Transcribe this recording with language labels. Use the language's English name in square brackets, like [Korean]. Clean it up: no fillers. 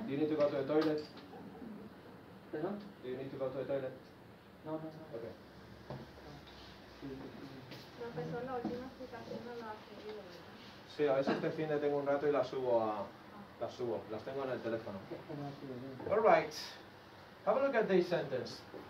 [English] Do you need to go to the toilet? Uh-huh. Do you need to go to the toilet? No. Okay. [Spanish] Profesor, la última explicación no la ha seguido, ¿verdad? Sí, a veces este fin de tengo un rato y las subo, las tengo en el teléfono. [English] All right, have a look at this sentence.